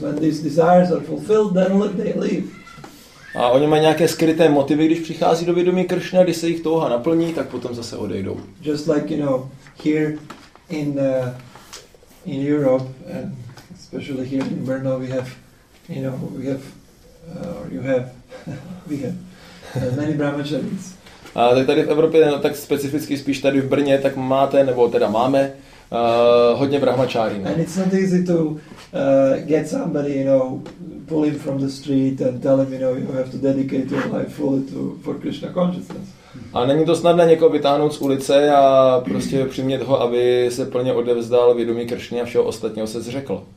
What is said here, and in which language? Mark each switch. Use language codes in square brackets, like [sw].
[en] When these desires are fulfilled, then they leave. [cs] A oni mají nějaké skryté motivy, když přichází do vědomí Krishna, když se jich touha naplní, tak potom zase odejdou. [en] Just like, you know, here in Europe and especially here in Brno, we have, you know, we have many brahmacharis. [cs] A tak tady v Evropě, no, tak specificky spíš tady v Brně, tak máte, nebo teda máme, hodně brahmačárin. [en] And it's not easy to get somebody, you know, pull him from the street and tell him, you know, you have to dedicate your life fully for Krishna consciousness. [cs] A není to snadné někoho vytáhnout z ulice a prostě přimět ho, aby se plně odevzdal vědomí Krishny a všeho ostatního se zřekl.